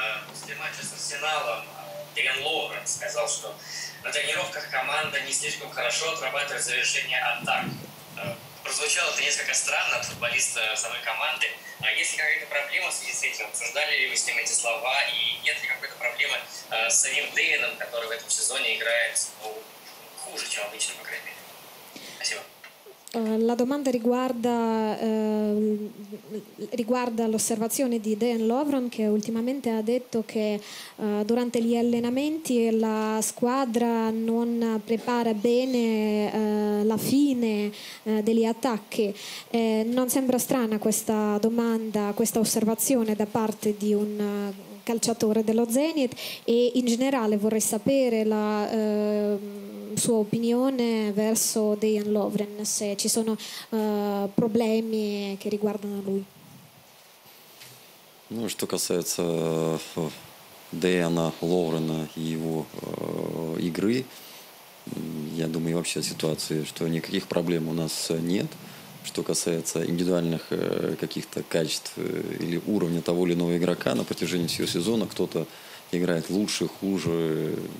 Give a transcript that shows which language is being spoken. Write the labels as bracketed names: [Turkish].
[Russian] После матча с Арсеналом Дэйан Ловрен сказал, что на тренировках команда не слишком хорошо отрабатывает завершение атак. Прозвучало это несколько странно от футболиста самой команды. А есть ли какая-то проблема в связи с этим? Обсуждали ли вы с ним эти слова? И нет ли какой-то проблемы с самим Дэйаном, который в этом сезоне играет хуже, чем обычно, по крайней мере? Спасибо. [Italian] La domanda riguarda l'osservazione di Dejan Lovren, che ultimamente ha detto che durante gli allenamenti la squadra non prepara bene la fine degli attacchi. Non sembra strana questa domanda, questa osservazione da parte di un calciatore dello Zenit? E in generale vorrei sapere la sua opinione verso Dejan Lovren, se ci sono problemi che riguardano lui. [Russian] Ну, что касается Дейана Ловрена и его игры, я думаю, вообще ситуации, что никаких проблем у нас нет. Что касается индивидуальных каких-то качеств или уровня того или иного игрока на протяжении всего сезона, кто-то играет лучше, хуже.